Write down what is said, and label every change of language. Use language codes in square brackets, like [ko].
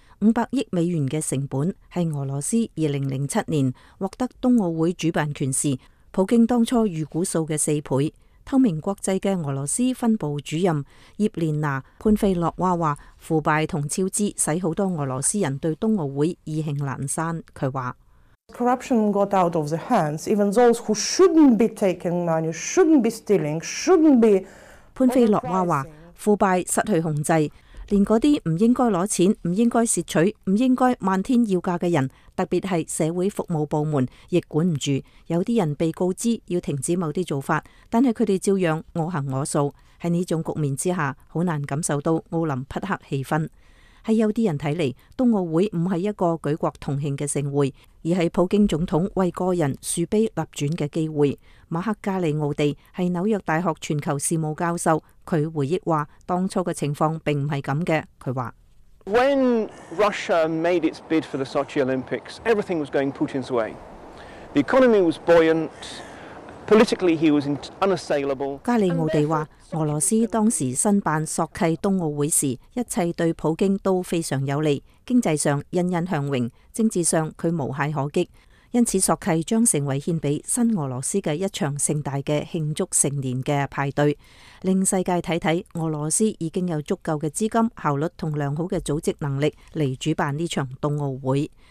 [zh] $500亿的成本是俄罗斯2007年获得冬奥会主办权时普京当初预估数的4倍。透明国际的俄罗斯分部主任叶莲娜·潘菲洛娃说，腐败和超支使很多俄罗斯人对冬奥会意兴阑珊。他说， [en] Corruption got out of the hands, even those who shouldn't be taking money, shouldn't be stealing, shouldn't be... [zh] 潘菲洛娃说，腐败失去控制，连那些不应该拿钱、不应该摄取、不应该漫天要价的人，特别是社会服务部门也管不住。有些人被告知要停止某些做法，但是他们照样我行我素。在这种局面之下，很难感受到奥林匹克气氛。在有些人看来，冬奥会不是一个举国同庆的盛会，而是普京总统为个人树碑立传的机会。马克加利奥地是纽约大学全球事务教授，他回忆说，当初的情况并不是这样的。他说， [en] When Russia made its bid for the Sochi Olympics, everything was going Putin's way. The economy was buoyant, politically he was unassailable. [zh] 加利奥地说，俄罗斯当时申办索契冬奥会时，一切对普京都非常有利，经济上欣欣向荣，政治上他无懈可击，因此索契将成为献给新俄罗斯的一场盛大的庆祝成年的派对，令世界看看俄罗斯已经有足够的资金、效率和良好的组织能力来主办这场冬奥会。